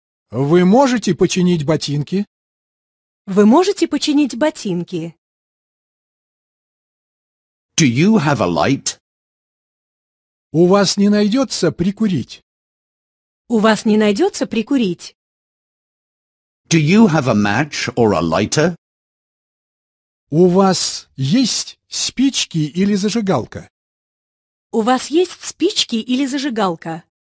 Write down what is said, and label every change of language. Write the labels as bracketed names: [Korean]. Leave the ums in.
[Russian] Вы можете починить ботинки? Вы можете починить ботинки? [English] Do you have a light? [Russian] У вас не найдется прикурить? У вас не найдется прикурить? [English] Do you have a match or a lighter? [Russian] «У вас есть спички или зажигалка?» «У вас есть спички или зажигалка?»